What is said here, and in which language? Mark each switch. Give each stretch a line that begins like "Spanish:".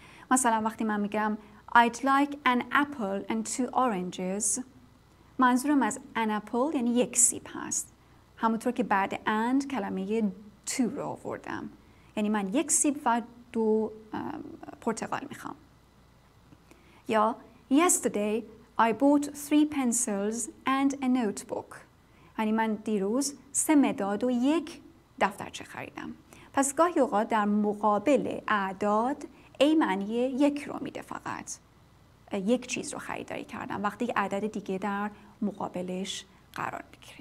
Persian: مثلا وقتی من میگم
English: I'd like an apple and two oranges،
Persian: منظورم از an apple یعنی یک سیب هست. همونطور که بعد and کلمه two رو آوردم. یعنی من یک سیب و دو پرتقال میخوام.
English: یا Yesterday I bought three pencils and a notebook.
Persian: یعنی من دیروز سه مداد و یک دفترچه خریدم. پس گاهی اوقات در مقابل اعداد ای معنی یک رو میده فقط. یک چیز رو خریداری کردم وقتی عدد دیگه در مقابلش قرار میگیره.